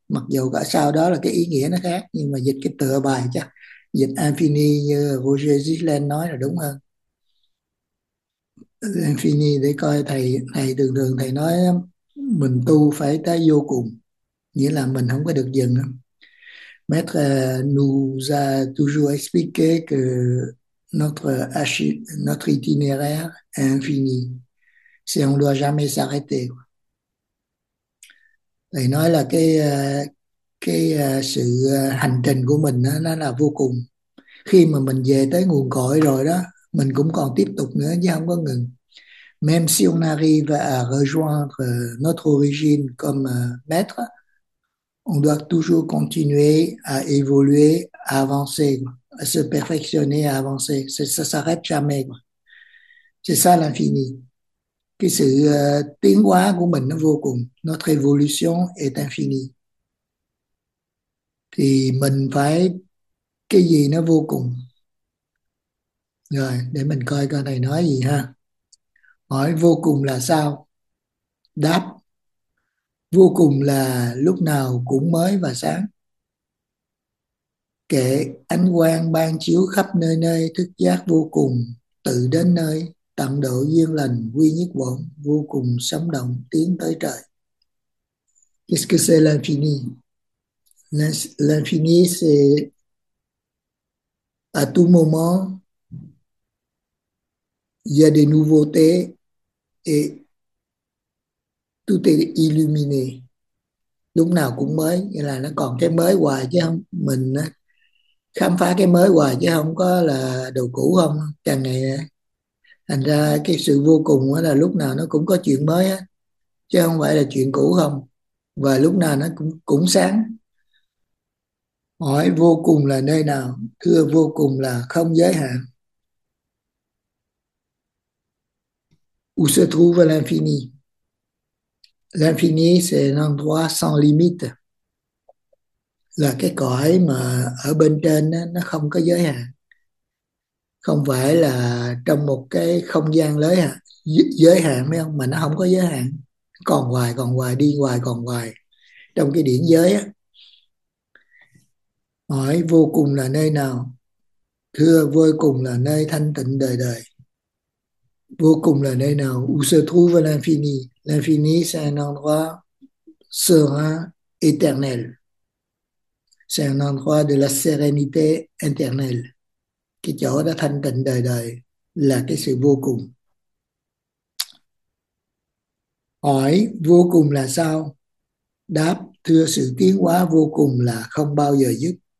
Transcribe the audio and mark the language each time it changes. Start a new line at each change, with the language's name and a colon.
Vietnamese: Mặc dù cả sau đó là cái ý nghĩa nó khác, nhưng mà dịch cái tựa bài chắc dịch infini như vô Zizlen nói là đúng hơn. Infini để coi thầy thầy thường thường thầy nói mình tu phải tới vô cùng, nghĩa là mình không có được dừng.
French: Maître nous a toujours expliqué que notre itinéraire est infini. C'est on ne doit jamais s'arrêter.
Vietnamese: Thầy nói là cái sự hành trình của mình đó, nó là vô cùng. Khi mà mình về tới nguồn cội rồi đó, mình cũng còn tiếp tục nữa chứ không có ngừng.
French: Même si on arrive à rejoindre notre origine comme maître, on doit toujours continuer à évoluer, à avancer. À se perfectionner, à avancer. Ça s'arrête jamais. C'est ça l'infini.
Vietnamese: Cái sự tiến hóa của mình nó vô cùng.
French: Notre évolution est infinie.
Vietnamese: Thì mình phải cái gì nó vô cùng. Rồi, để mình coi con này nói gì ha. Hỏi vô cùng là sao? Đáp. Vô cùng là lúc nào cũng mới và sáng. Kệ ánh quang ban chiếu khắp nơi nơi, thức giác vô cùng tự đến nơi, tận độ duyên lành quy nhất quẩn vô cùng sống động tiến tới trời.
French: Qu'est-ce que c'est l'infini? L'infini, c'est à tout y a des nouveautés et tout est illuminé.
Vietnamese: Lúc nào cũng mới, nghĩa là nó còn cái mới hoài chứ không. Mình khám phá cái mới hoài chứ không có là đồ cũ không. Càng ngày thành ra cái sự vô cùng là lúc nào nó cũng có chuyện mới á, chứ không phải là chuyện cũ không. Và lúc nào nó cũng cũng sáng. Hỏi vô cùng là nơi nào? Thưa vô cùng là không giới hạn.
French: Où se trouve l'infini? L'infini, c'est un endroit sans limite.
Vietnamese: Là cái cõi mà ở bên trên đó, nó không có giới hạn. Không phải là trong một cái không gian lớn hả? Giới hạn phải không? Mà nó không có giới hạn. Còn hoài, đi hoài, còn hoài. Trong cái điển giới á. Hỏi vô cùng là nơi nào? Thưa vô cùng là nơi thanh tịnh đời đời. Vô cùng là nơi nào?
French: Où se trouve l'infini? L'infini, c'est un endroit serein, éternel. C'est un endroit de la sérénité éternelle.
Vietnamese: Cái chỗ đó thanh tịnh đời đời là cái sự vô cùng. Hỏi vô cùng là sao? Đáp, thưa sự tiến hóa vô cùng là không bao giờ dứt.